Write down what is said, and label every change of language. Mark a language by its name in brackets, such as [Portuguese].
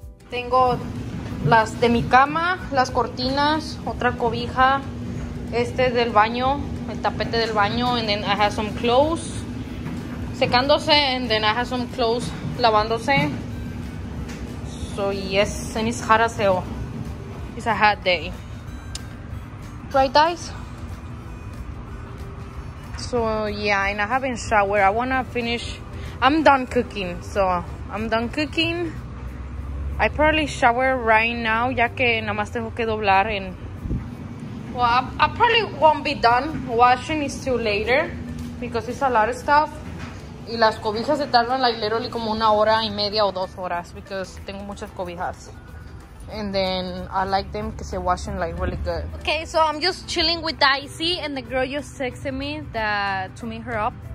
[Spanish] Tengo las de mi cama, las cortinas, otra cobija, este del baño, el tapete del baño, [English] and then I have some clothes [Spanish] secándose, and then I have some clothes lavándose. [English] So yes, and it's hot as hell. It's a hot day. Right, guys? So yeah, and I haven't showered. I wanna finish. I'm done cooking, so I'm done cooking. I probably shower right now, [Spanish] ya que nada más tengo que doblar en... [English] Well, I probably won't be done. Washing is too later, because it's a lot of stuff. [Spanish] Y las cobijas se tardan, [English] like, literally [Spanish] como una hora y media o dos horas, [English] because [Spanish] tengo muchas cobijas. [English] And then I like them, [Spanish] que se [English] washing, like, really good. Okay, so I'm just chilling with Dicey, and the girl just texted me that to meet her up.